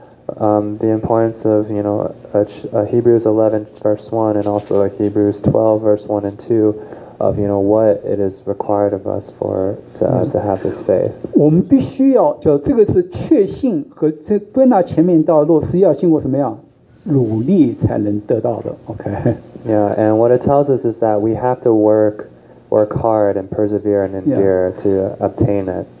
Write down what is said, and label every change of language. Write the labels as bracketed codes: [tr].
[en] The importance of Hebrews 11 verse 1 and also Hebrews 12 verse 1 and 2 of what it is required of us for to have this faith. [zh] 我们必须要就这个是确信和这归纳前面道路是要经过什么样努力才能得到的。Okay. [en] Yeah, and what it tells us is that we have to work hard and persevere and endure to obtain it.